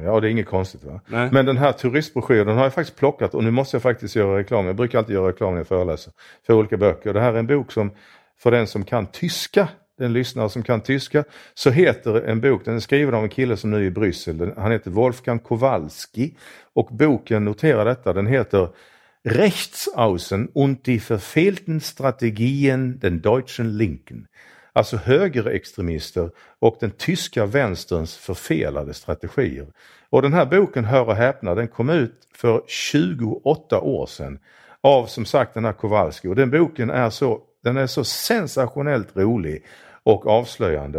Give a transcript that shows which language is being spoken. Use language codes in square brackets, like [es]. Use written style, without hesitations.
[sv] Ja, det är inget konstigt va? Nej. Men den här turistbroschyren har jag faktiskt plockat. Och nu måste jag faktiskt göra reklam. Jag brukar alltid göra reklam när jag föreläser. För olika böcker. Det här är en bok som, för den som kan tyska. Den lyssnare som kan tyska. Så heter en bok. Den är skriven av en kille som nu är i Bryssel. Han heter Wolfgang Kowalski. Och boken, noterar detta. Den heter [de] Rechtsaußen und die verfehlten Strategien den deutschen Linken. [sv] Alltså högerextremister och den tyska vänsterns förfelade strategier. Och den här boken, hör och häpna, den kom ut för 28 år sedan av som sagt den här Kowalski. Och den boken är så, den är så sensationellt rolig och avslöjande.